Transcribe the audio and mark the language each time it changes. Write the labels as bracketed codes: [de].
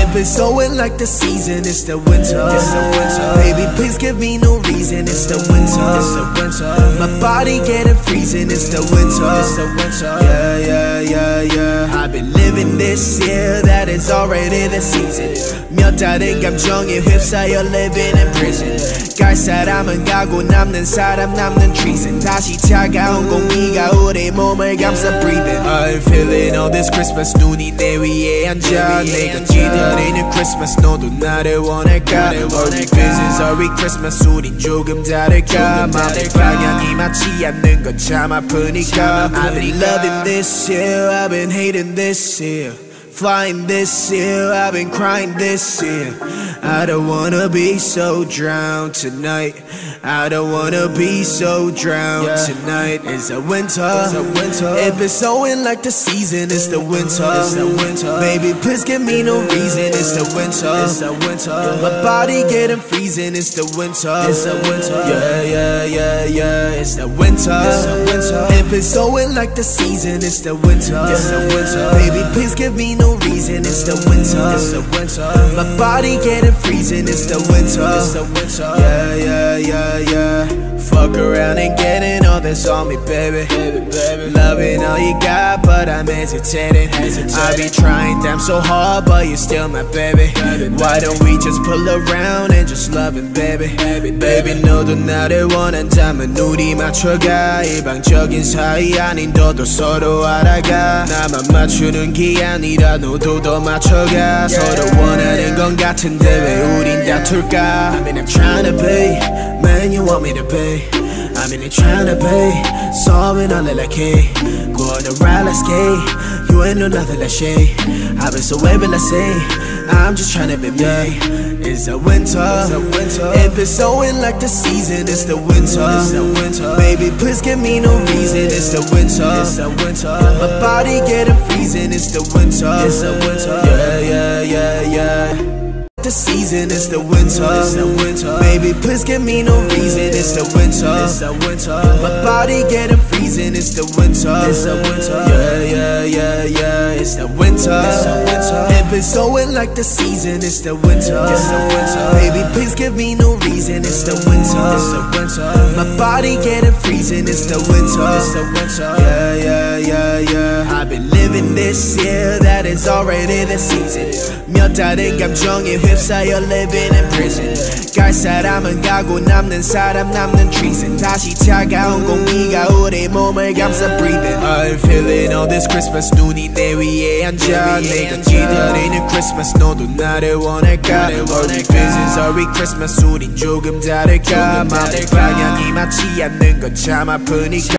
[en] Been sowing like the season, it's the winter. Baby, please give me no reason, it's the winter. My body getting freezing, it's the winter. Yeah, I've been living. living this year, that is already the season. [ko] 몇달인 감정에 휩싸여 [en] living in prison. [ko] 갈 사람은 가고 남는 사람 남는 treason. 다시 차가운 공기가 우리 몸을 감싸 breathing. [en] I'm feeling all this Christmas, [ko] 눈이 내 위에 앉아. 내가 기다리는 Christmas, 너도 나를 원할까? [en] Are we business, are we Christmas, [ko] 우린 조금 다를까? 마음의 방향이 맞지 않는 건 참 아프니까. [en] I've been loving this year, I've been hating this year. Flying this year, I've been crying this year. I don't wanna be so drowned tonight. I don't wanna be so drowned tonight. It's a winter, it's a winter. If it's snowing like the season, it's the winter, it's the winter. Baby, please give me no reason, it's the winter, it's the winter. My body getting freezing, it's the winter, it's the winter. Yeah, yeah, yeah, yeah, it's the winter, it's the winter. If it's snowing like the season, it's the winter, it's the winter. Baby, please give me no reason, it's the winter, it's the winter. My body getting freezing, it's the winter, it's the winter. Yeah, yeah, yeah. Yeah, fuck around and getting all this on me, baby, baby, baby. Loving all you got, but I'm hesitating. I be trying damn so hard, but you're still my baby, baby. Why don't we just pull around and just love it, baby, baby, baby, baby. [ko] 너도 나를 원한다면 우리 맞춰가. 일방적인 사이 아닌 너도 서로 알아가. 나만 맞추는 게 아니라 너도 더 맞춰가. [en] Yeah. [ko] 서로 원하는 건 같은데 왜 우린 다툴까? [en] I mean I'm trying to be man you want me to be. I mean I'm trying to be solving all that I can. Go on the ride, let's skate. You ain't no nothing like shit. I've been so wavy, let's say I'm just trying to be me. It's a winter, it's a winter. If it's snowing like the season, it's the winter, it's the winter. Baby, please give me no reason, it's the winter, it's the winter. My body getting freezing, it's the winter, it's the winter. Yeah, yeah, yeah, yeah. The season is the winter, it's the winter. Baby, please give me no reason, it's the winter, it's the winter. My body getting freezing, it's the winter, it's the winter. Yeah, yeah, yeah, yeah, it's the winter, it's the winter. If it's snowing like the season, it's the winter, it's the winter. Baby, please give me no reason, it's the winter, it's the winter. My body getting freezing, it's the winter, it's the winter. Yeah, yeah, yeah, yeah. I've been living this year, that is already the season. [ko] 몇 달인 감정에 휩싸여 living in prison. 갈 사람은 가고 남는 사람 남는 treason. 다시 차가운 공기가 우리 몸을 감싸 breathing. [en] I'm feeling all this Christmas, 눈이 내 위에 앉아. [ko] 내가 기다리는 Christmas, 너도 나를 원할까? [en] Are we business, are we Christmas, [ko] 우린 조금 다를까? 마음의 방향이 맞지 않는 건 참 아프니까.